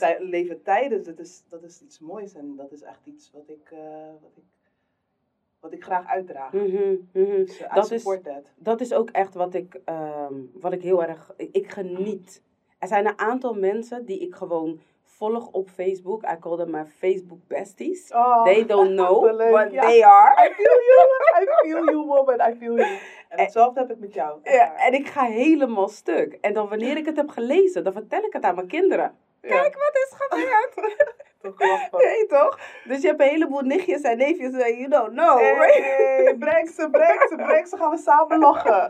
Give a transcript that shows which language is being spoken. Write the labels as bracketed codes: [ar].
[nl] Een leven tijdens, dat is iets moois. En dat is echt iets wat ik graag uitdraag. Mm-hmm. [en] Dus, support that. [nl] Dat is ook echt wat ik heel erg... Ik geniet. Er zijn een aantal mensen die ik gewoon... Volg op Facebook. [en] I call them my Facebook besties. Oh, they don't know what they are. I feel you, woman. I feel you. [nl] En hetzelfde heb ik met jou. Ja, en ik ga helemaal stuk. En dan wanneer ik het heb gelezen, dan vertel ik het aan mijn kinderen. Kijk, wat is gebeurd. Nee, toch? Dus je hebt een heleboel nichtjes en neefjes. [en] You don't know. [nl] Hey, breng ze. Gaan we samen lachen.